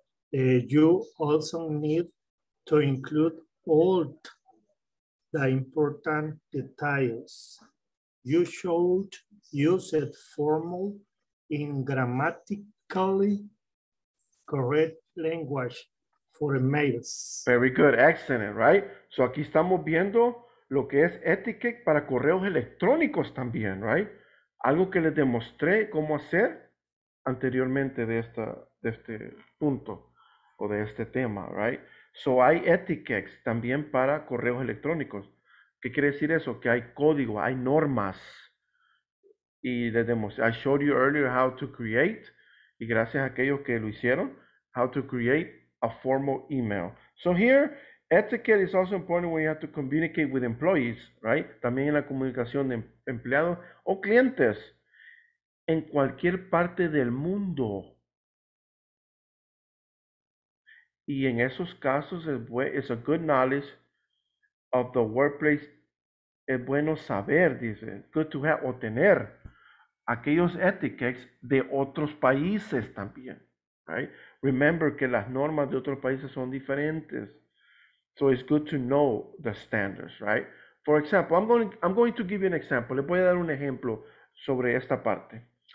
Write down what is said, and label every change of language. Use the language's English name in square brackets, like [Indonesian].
[English] You also need to include all the important details. You should use it formal in grammatically correct language for emails. Very good, excellent, right? [Spanish] So aquí estamos viendo lo que es etiquette para correos electrónicos también, [English] right? [Spanish] Algo que les demostré cómo hacer anteriormente de este punto o de este tema, [English] right? [Spanish] So hay etiquettes también para correos electrónicos. ¿Qué quiere decir eso? Que hay código, hay normas. Y les demostré, [English] I showed you earlier how to create, [Spanish] y gracias a aquellos que lo hicieron, [English] how to create a formal email. So here, etiquette is also important when you have to communicate with employees, right? [Spanish] También en la comunicación de empleados o clientes en cualquier parte del mundo. Y en esos casos es [English] a good knowledge of the workplace. [Spanish] Es bueno saber, dice, [English] good to have, [Spanish] o tener aquellos etiquettes de otros países también, [English] right? Remember [Spanish] que las normas de otros países son diferentes. [English] So it's good to know the standards, right? For example, I'm going to give you an example. [Spanish] Le voy a dar un ejemplo sobre esta parte.